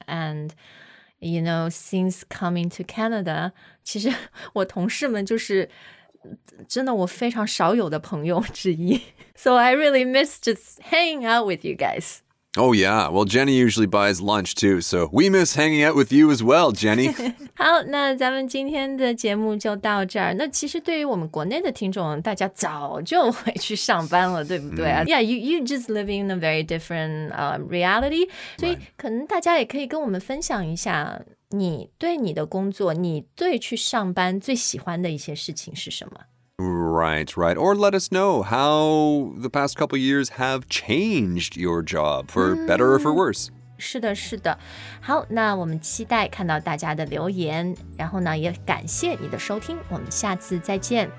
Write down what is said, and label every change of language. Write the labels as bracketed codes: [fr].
[en] And, you know, since coming to Canada, [zh] 其实我同事们就是真的我非常少有的朋友之一。 [en] So I really miss just hanging out with you guys. Oh, yeah. Well, Jenny usually buys lunch too, so we miss hanging out with you as well, Jenny. [zh] 好，那咱们今天的节目就到这儿。那其实对于我们国内的听众，大家早就回去上班了，对不对啊？ [en] Yeah, you just living in a very different reality. [zh] 所以可能大家也可以跟我们分享一下你对你的工作，你对去上班最喜欢的一些事情是什么。 [en] Right, right. Or let us know how the past couple years have changed your job for better or for worse. [zh] 是的，是的。好，那我们期待看到大家的留言，然后呢，也感谢你的收听，我们下次再见。